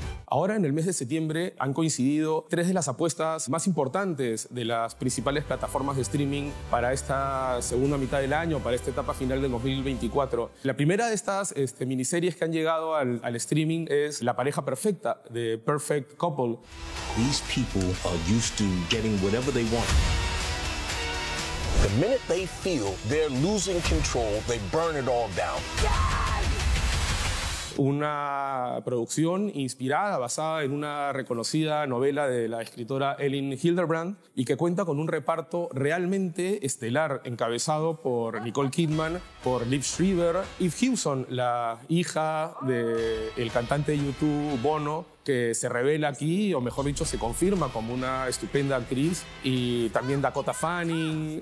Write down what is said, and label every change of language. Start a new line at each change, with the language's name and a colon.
Spanish: Ahora, en el mes de septiembre, han coincidido tres de las apuestas más importantes de las principales plataformas de streaming para esta segunda mitad del año, para esta etapa final del 2024. La primera de estas miniseries que han llegado al streaming es La Pareja Perfecta, de Perfect Couple.
English: These people are used to getting whatever they want. The minute they feel they're losing control, they burn it all down.
Spanish: Una producción inspirada, basada en una reconocida novela de la escritora Ellen Hildebrand y que cuenta con un reparto realmente estelar, encabezado por Nicole Kidman, por Liv Schreiber, Eve Hewson, la hija del cantante de U2 Bono, que se revela aquí, o mejor dicho, se confirma como una estupenda actriz, y también Dakota Fanning.